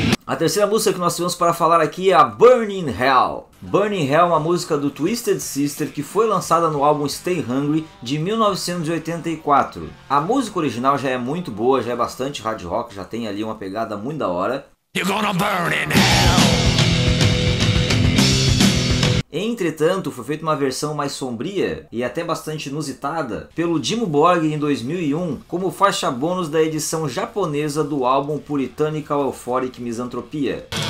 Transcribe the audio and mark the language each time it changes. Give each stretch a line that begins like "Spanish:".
Portuguese: A terceira música que nós temos para falar aqui é a Burning Hell. Burning Hell é uma música do Twisted Sister que foi lançada no álbum Stay Hungry de 1984. A música original já é muito boa, já é bastante hard rock, já tem ali uma pegada muito da hora.
English: You're gonna burn in hell.
Portuguese: Entretanto, foi feita uma versão mais sombria e até bastante inusitada pelo Dimmu Borgir em 2001 como faixa bônus da edição japonesa do álbum Puritanical Euphoric Misantropia.